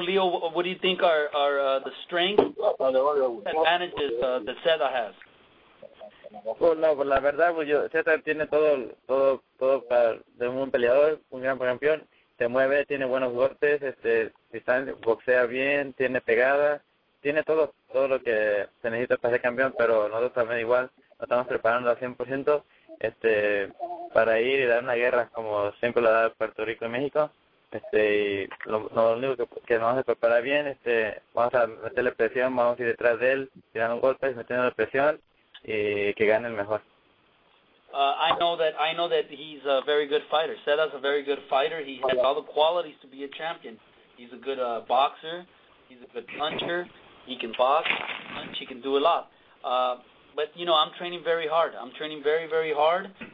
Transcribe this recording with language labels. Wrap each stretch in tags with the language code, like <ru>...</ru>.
<en>Leo, what do you think are the strengths and advantages that Seda has?</en> <es>Pues no, pues la verdad, pues yo, Seda tiene todo para de un peleador, un gran campeón. Se mueve, tiene buenos golpes, boxea bien, tiene pegada, tiene todo lo que se necesita para ser campeón, pero nosotros también igual nos estamos preparando al 100% para ir y dar una guerra como siempre la da Puerto Rico y México. Lo único que nos vamos a preparar bien, vamos a meterle presión, vamos a ir detrás de él, tirando golpes, metiendo presión y que gane el mejor.</es> <en>I know that he's a very good fighter. Seda's a very good fighter. He has all the qualities to be a champion. He's a good boxer. He's a good puncher. He can box, punch. He can do a lot. But you know, I'm training very hard. I'm training very, very hard.</en>